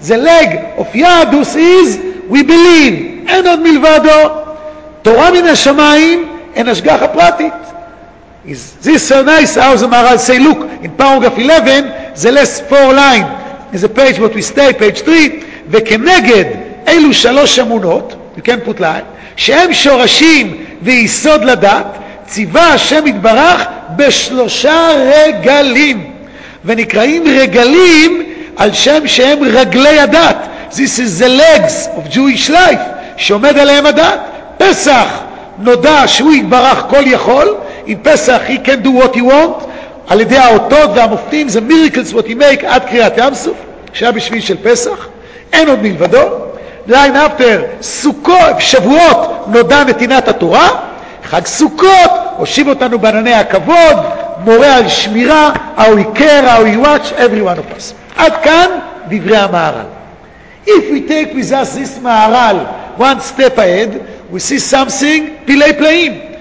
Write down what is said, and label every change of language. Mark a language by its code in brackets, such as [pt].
[en] The leg of Yadus is we believe [he] en od milvado, Torah min haShamayim en Ashgacha Pratit. [en] Is this so nice how the Maharal say, look, in paragraph 11, the last four line is a page what we stay, page 3, [he] וכנגד אלו שלוש אמונות, [en] you can put line, [he] שהם שורשים ויסוד לדת, ציווה השם יתברך בשלושה רגלים, ונקראים רגלים על שם שהם רגלי הדת. [en] This is the legs of Jewish life, [he] שעומד עליהם הדת. פסח, נודע שהוא יתברך כל יכול. [en] In Pesach he can do what he want, [he] על ידי האותות והמופתים, [en] the miracles what he make, [he] עד קריאת ים סוף, שהיה בשביל של פסח, אין עוד מלבדו. [en] Line after, [he] סוכות, שבועות, נודע נתינת התורה. חג סוכות, הושיב אותנו בענני הכבוד, מורה על שמירה, [en] how he care, how he watch, everyone of us. [he] עד כאן דברי המהר"ל. [en] If we take with us this מהר"ל, one step ahead, we see something, [he] פלאי פלאים.